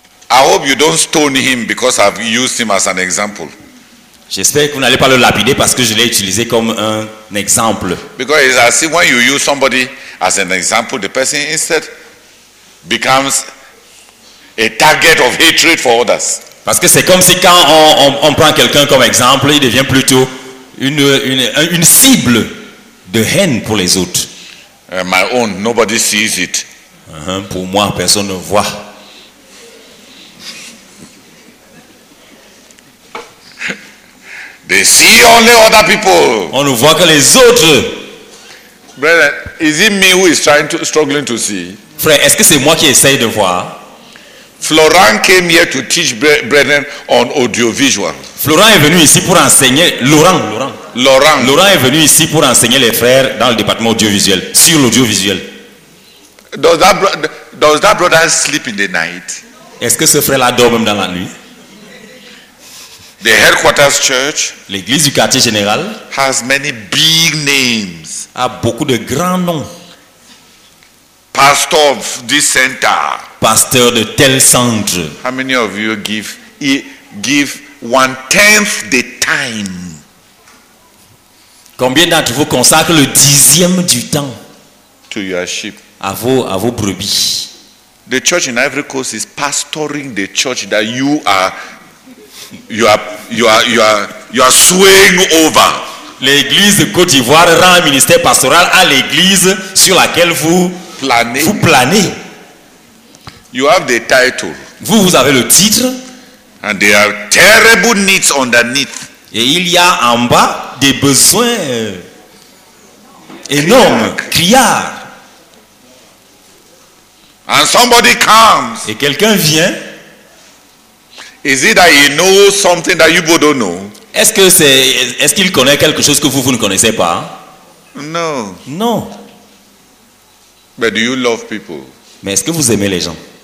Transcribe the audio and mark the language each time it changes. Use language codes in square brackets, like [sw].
[en] I hope you don't stone him because I've used him as an example. [fr] J'espère que vous n'allez pas le lapider parce que je l'ai utilisé comme un exemple. [en] Because it's as if when you use somebody as an example, the person instead becomes a target of hatred for others. [fr] Parce que c'est comme si quand on prend quelqu'un comme exemple, il devient plutôt une cible de haine pour les autres. [en] My own, nobody sees it. [fr] Pour moi, personne ne voit. [en] They see only other people. [fr] On ne voit que les autres. [en] Brother, is it me who is struggling to see? [fr] Frère, est-ce que c'est moi qui essaye de voir? [en] Florent came here to teach brethren on audiovisual. [fr] Florent est venu ici pour enseigner Laurent est venu ici pour enseigner les frères dans le département audiovisuel sur l'audiovisuel. [en] Does that brother sleep in the night? [fr] Est-ce que ce frère là dort même dans la nuit? [en] The headquarters church, [fr] l'église du quartier général, [en] has many big names. [fr] A beaucoup de grands noms. [en] Pastor of this center. [fr] Pasteur de tel centre. [en] How many of you give one tenth the time? [fr] Combien d'entre vous consacrent le dixième du temps [en] to your sheep? [fr] À vos brebis. [en] The church in Ivory Coast is pastoring the church that you are swaying over. [fr] L'église de Côte d'Ivoire rend un ministère pastoral à l'église sur laquelle vous planez. Vous planez. [en] You have the title. [fr] Vous avez le titre. [en] And there are terrible needs underneath. [fr] Et il y a en bas des besoins énormes, criards. [en] And somebody comes. [fr] Et quelqu'un vient. [en] Is it that he knows something that you both don't know? [fr] Est-ce qu'il connaît quelque chose que vous ne connaissez pas? [en] No. [fr] Non. [en] But do you love people? [fr] Mais est-ce que vous aimez les gens?